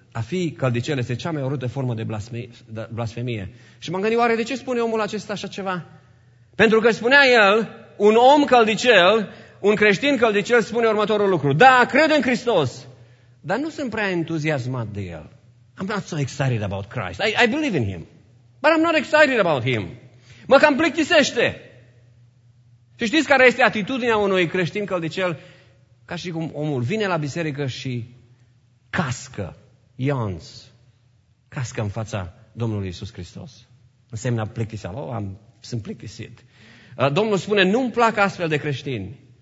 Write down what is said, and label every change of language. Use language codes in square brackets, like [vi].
[ro] A fi căldicel este cea mai urâtă formă de blasfemie. Și m-am gândit, oare de ce spune omul acesta așa ceva? Pentru că spunea el, un om căldicel, un creștin căldicel spune următorul lucru. Da, cred în Hristos, dar nu sunt prea entuziasmat de el. [en] I'm not so excited about Christ. I believe in him, but I'm not excited about him. [ro] Mă cam plictisește. Și știți care este atitudinea unui creștin căldicel? Ca și cum omul vine la biserică și cască, yawns, cască în fața Domnului Iisus Hristos. Înseamnă plictiseală, sunt plictisit. Domnul spune, nu-mi plac astfel de creștini.